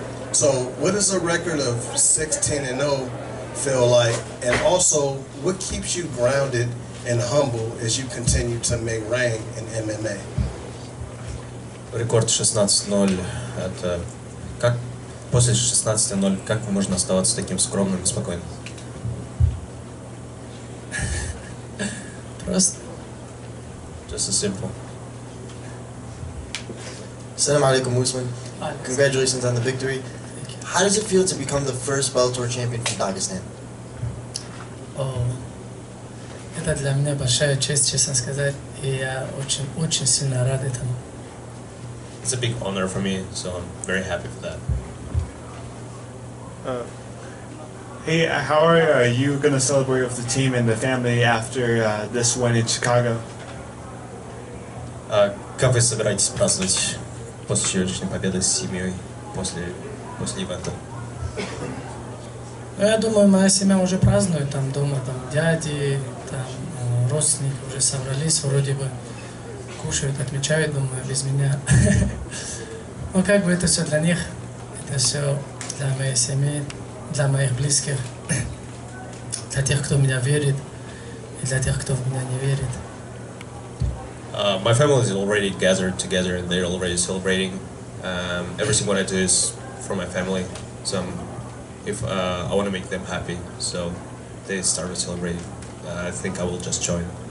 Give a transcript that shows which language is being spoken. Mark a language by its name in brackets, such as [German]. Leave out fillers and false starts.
[English] So what does a record of 16-0 feel like? And also, what keeps you grounded and humble as you continue to make rain in MMA? Record 16-0. [Russian] Это как после 16-0 как можно оставаться таким скромным и спокойным? [English] Just as simple. Assalamu alaikum, Usman. Congratulations on the victory. How does it feel to become the first Bellator champion from Dagestan? [Russian] Oh, это для меня большая честь, честно сказать, и я очень, очень сильно рад этому. [English] It's a big honor for me, so I'm very happy for that. Hey, how are you going to celebrate with the team and the family after this win in Chicago? [Russian] Как вы собираетесь праздновать после сегодняшней победы с семьей после ивента? Ну, я думаю, моя семья уже празднует там дома, там дяди, там родственники уже собрались, вроде бы кушают, отмечают, думаю, без меня. Ну, как бы это все для них, это все для моей семьи. Для моих близких, для тех, кто меня верит, и для тех, кто в меня не верит. [English] My family is already gathered together, and they're already celebrating. Everything what I do is for my family, so I want to make them happy, so they started celebrating. I think I will just join.